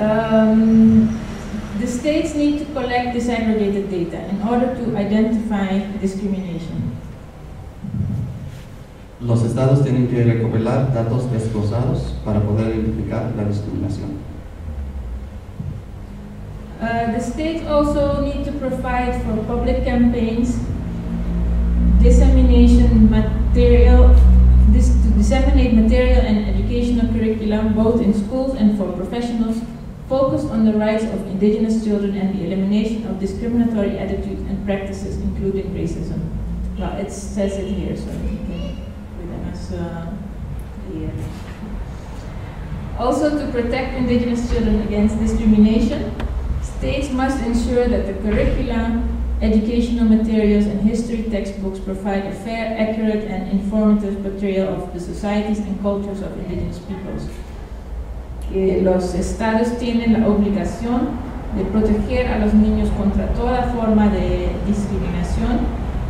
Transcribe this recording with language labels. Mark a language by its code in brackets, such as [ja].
[en] The states need to collect disaggregated data in order to identify discrimination. [es] Los estados tienen que recopilar datos desglosados para poder identificar la discriminación. [en] The states also need to provide for public campaigns to disseminate material and educational curriculum both in schools and for professionals focused on the rights of indigenous children and the elimination of discriminatory attitudes and practices, including racism. Well, it says it here, so we can read it. Also, to protect indigenous children against discrimination, states must ensure that the curriculum, educational materials, and history textbooks provide a fair, accurate, and informative portrayal of the societies and cultures of indigenous peoples. [es] Que los estados tienen la obligación de proteger a los niños contra toda forma de discriminación